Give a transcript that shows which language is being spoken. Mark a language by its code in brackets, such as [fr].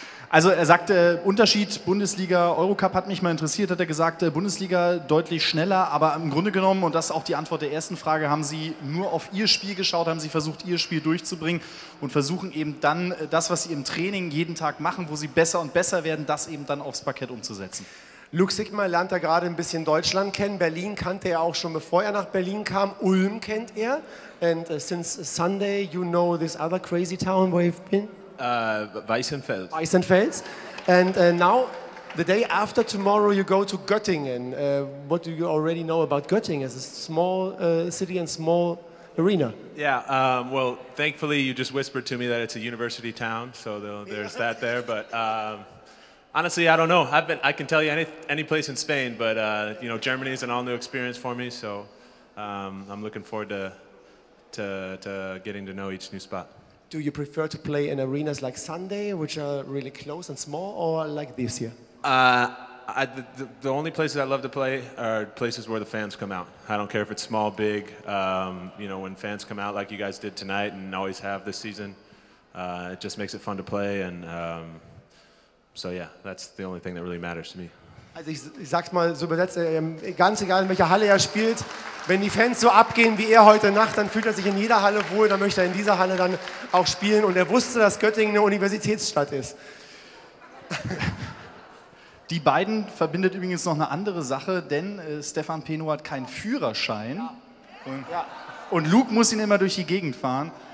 [de] Also er sagte, Unterschied Bundesliga, Eurocup hat mich mal interessiert, hat er gesagt, Bundesliga deutlich schneller, aber im Grunde genommen, und das ist auch die Antwort der ersten Frage, haben Sie nur auf Ihr Spiel geschaut, haben Sie versucht, Ihr Spiel durchzubringen und versuchen eben dann das, was Sie im Training jeden Tag machen, wo Sie besser und besser werden, das eben dann aufs Parkett umzusetzen. Luke Sigmar lernt da gerade ein bisschen Deutschland kennen. Berlin kannte er auch schon, bevor er nach Berlin kam. Ulm kennt er. [en] And since Sunday, you know this other crazy town where you've been? Weißenfels. And now, the day after tomorrow, you go to Göttingen. What do you already know about Göttingen? It's a small city and small arena. Yeah, well, thankfully, you just whispered to me that it's a university town, so there's that there. But honestly, I don't know. I can tell you any place in Spain, but you know, Germany is an all-new experience for me, so I'm looking forward to getting to know each new spot. Do you prefer to play in arenas like Sunday, which are really close and small, or like this here? The only places I love to play are places where the fans come out. I don't care if it's small, big. You know, when fans come out like you guys did tonight and always have this season, it just makes it fun to play. And so, yeah, that's the only thing that really matters to me. [de] Also ich sag's mal so übersetzt, ganz egal in welcher Halle er spielt, wenn die Fans so abgehen wie er heute Nacht, dann fühlt er sich in jeder Halle wohl, dann möchte er in dieser Halle dann auch spielen und er wusste, dass Göttingen eine Universitätsstadt ist. Die beiden verbindet übrigens noch eine andere Sache, denn Stefan Peno hat keinen Führerschein und Luke muss ihn immer durch die Gegend fahren.